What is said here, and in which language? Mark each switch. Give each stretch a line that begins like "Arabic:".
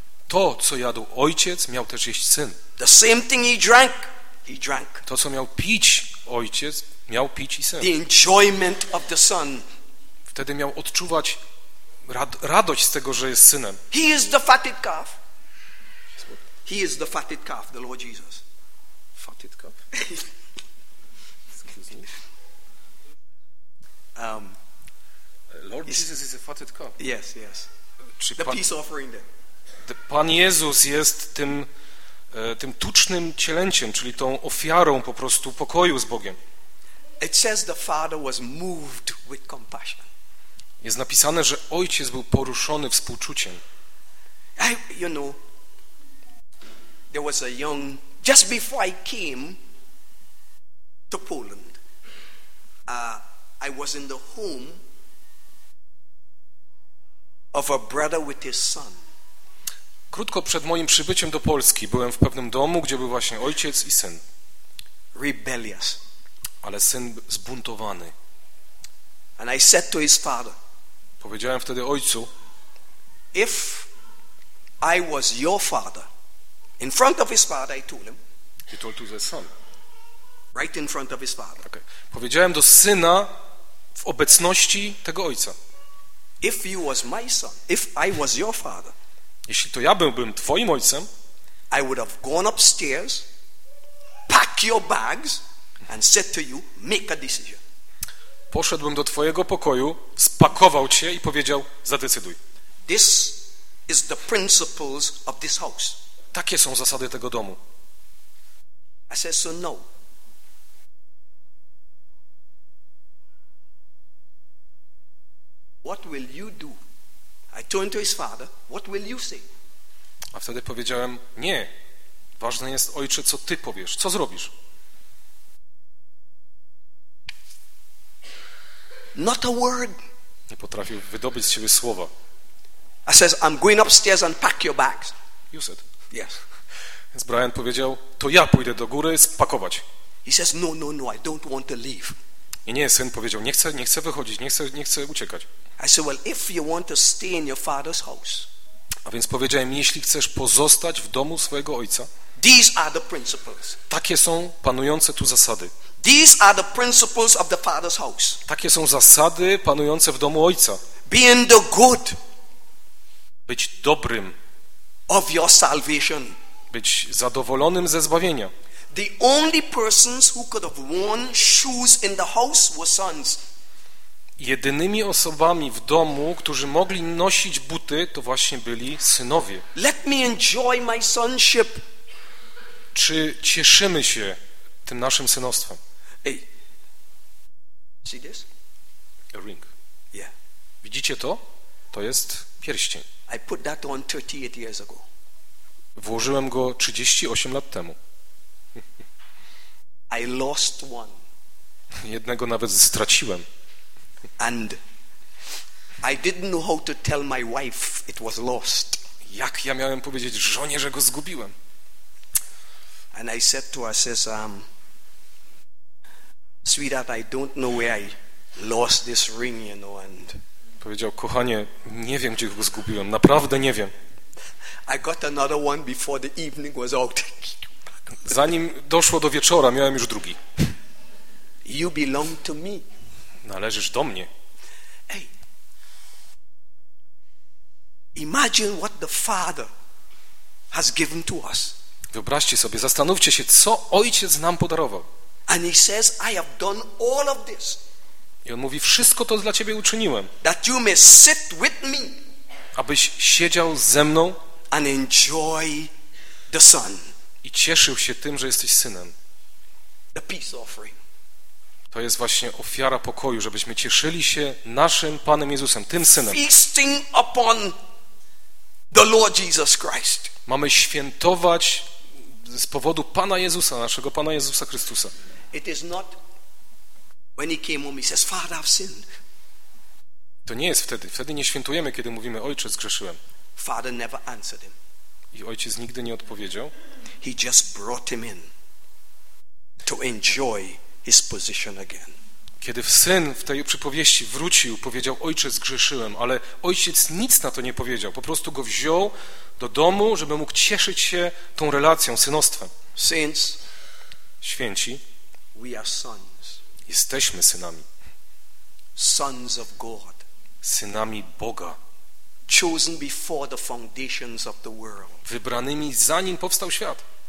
Polish: To, co jadł ojciec, miał też jeść syn.
English: The same thing he drank.
Polish: To, co miał pić ojciec, miał pić i syn.
English: The enjoyment of the son.
Polish: Wtedy miał odczuwać radość z tego, że jest synem.
English: He is the fatted calf. He is the fatted calf, the Lord Jesus. Fatted calf? Excuse me. Lord Jesus is a fatted calf. Yes, yes. Czy the peace offering there.
Polish: Pan Jezus jest tym, tym tucznym cielęciem, czyli tą ofiarą po prostu pokoju z Bogiem.
English: It says the father was moved with compassion.
Polish: Jest napisane, że ojciec był poruszony współczuciem.
English: I, you know, there was a young, just before I came to Poland, I was in the home of a brother with his son.
Polish: Krótko przed moim przybyciem do Polski byłem w pewnym domu, gdzie był właśnie ojciec i syn.
English: Rebellious.
Polish: Ale syn zbuntowany.
English: And I said to his father,
Polish: powiedziałem wtedy ojcu,
English: if I was your father, in front of his father, I told him. He told to the son. Right in front of his father. Okay.
Polish: Powiedziałem do syna w obecności tego ojca.
English: If you was my son, if I was your father,
Polish: jeśli to ja byłbym twoim ojcem,
English: I would have gone upstairs, pack your bags and said to you, make a decision.
Polish: Poszedłbym do twojego pokoju, spakował cię i powiedział, zadecyduj.
English: This is the principles of this house.
Polish: Takie są zasady tego domu.
English: I said, so no. What will you do? I turned to his father. What will you say?
Polish: A wtedy powiedziałem, nie. Ważne jest, ojcze, co ty powiesz. Co zrobisz?
English: Not a word.
Polish: Nie potrafił wydobyć z siebie słowa.
English: I says, I'm going upstairs and pack your bags. You said. Yes.
Polish: Więc Brian powiedział, to ja pójdę do góry spakować.
English: He says, no, no, no, I don't want to leave.
Polish: I nie, syn powiedział, nie chcę wychodzić, nie chcę uciekać.
English: I said, well, if you want to stay in your father's house.
Polish: A więc powiedziałem, jeśli chcesz pozostać w domu swojego ojca.
English: These are the principles.
Polish: Takie są panujące tu zasady.
English: These are the principles of the father's house.
Polish: Takie są zasady panujące w domu ojca.
English: Being the good.
Polish: Być dobrym.
English: Of your salvation.
Polish: Być zadowolonym ze zbawienia.
English: The only persons who could have worn shoes in the house were sons.
Polish: Jedynymi osobami w domu, którzy mogli nosić buty, to właśnie byli synowie.
English: Let me enjoy my sonship.
Polish: Czy cieszymy się tym naszym synostwem?
English: Hey. See this? A ring. Yeah.
Polish: Widzicie to? To jest pierścień.
English: I put that on 38 years ago.
Polish: Włożyłem go 38 lat temu.
English: I lost one.
Polish: Jednego nawet straciłem.
English: And I didn't know how to tell my wife it was lost.
Polish: Jak ja miałem powiedzieć żonie, że go zgubiłem?
English: And I said to her, says, sweetheart, I don't know where I lost this ring, you know. And
Polish: powiedział, kochanie, nie wiem, gdzie go zgubiłem. Naprawdę nie wiem.
English: I got another one before the evening was out.
Polish: Zanim doszło do wieczora, miałem już drugi.
English: You belong to me.
Polish: Należysz do mnie.
English: Hey, imagine what the Father has given to us.
Polish: Wyobraźcie sobie, zastanówcie się, co Ojciec nam podarował.
English: And he says, I have done all of this.
Polish: I on mówi, wszystko to dla ciebie uczyniłem.
English: That you may sit with me.
Polish: Abyś siedział ze mną.
English: And enjoy the Son.
Polish: I cieszył się tym, że jesteś synem.
English: The peace offering.
Polish: To jest właśnie ofiara pokoju, żebyśmy cieszyli się naszym Panem Jezusem, tym synem.
English: Feasting upon the Lord Jesus Christ.
Polish: Mamy świętować z powodu Pana Jezusa, naszego Pana Jezusa Chrystusa.
English: It is not when he came home, he says, Father, I've sinned.
Polish: To nie jest wtedy. Wtedy nie świętujemy, kiedy mówimy, ojcze, zgrzeszyłem.
English: Father never answered him.
Polish: I ojciec nigdy nie odpowiedział.
English: He just brought him in. to enjoy his position again.
Polish: Kiedy syn w tej przypowieści wrócił, powiedział: Ojcze, zgrzeszyłem, ale ojciec nic na to nie powiedział. Po prostu go wziął do domu, żeby mógł cieszyć się tą relacją, synostwem.
English: Saints,
Polish: święci,
English: we are sons.
Polish: Jesteśmy synami.
English: Sons of God.
Polish: Synami Boga.
English: Chosen before the foundations of the world.
Polish: Wybranymi zanim powstał świat.